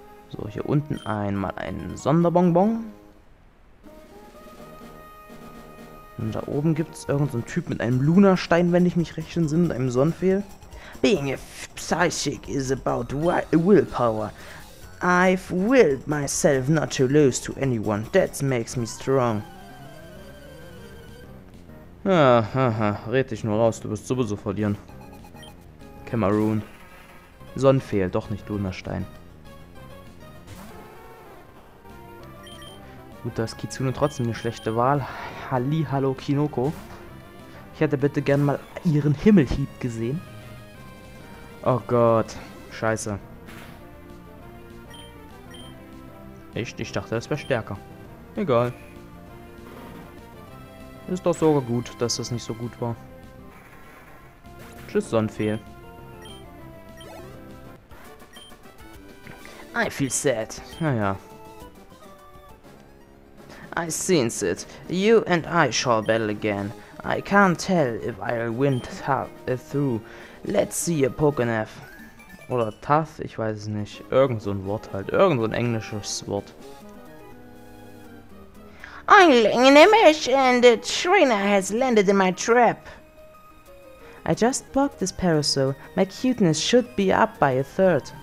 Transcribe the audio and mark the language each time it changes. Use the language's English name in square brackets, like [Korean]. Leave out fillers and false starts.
[German] So, hier unten einmal einen Sonderbonbon. Und da oben gibt es irgendeinen Typ mit einem Lunastein, wenn ich mich recht entsinne, und einem Sonnenfehl. [English] Being a psychic is about willpower. I've willed myself not to lose to anyone. That makes me strong. [German] Red dich nur raus, du wirst sowieso verlieren. Cameroon. Sonnenfehl, doch nicht Lunastein. Gut, dass Kitsune trotzdem eine schlechte Wahl. Hallihallo, Kinoko. Ich hätte bitte gern mal ihren Himmelhieb gesehen. Oh Gott, scheiße. Echt? Ich dachte, das wäre stärker. Egal. Ist doch sogar gut, dass das nicht so gut war. Tschüss, Sonnenfehl. [English] I feel sad. [German] Naja. [English] I sense it. You and I shall battle again. I can't tell if I'll win through. Let's see a Pokénef. [German] Oder Tough, ich weiß es nicht. Irgend so ein Wort halt. Irgend so ein englisches Wort. [English] I'm laying a mesh and the trainer has landed in my trap. I just bought this parasol. My cuteness should be up by a third.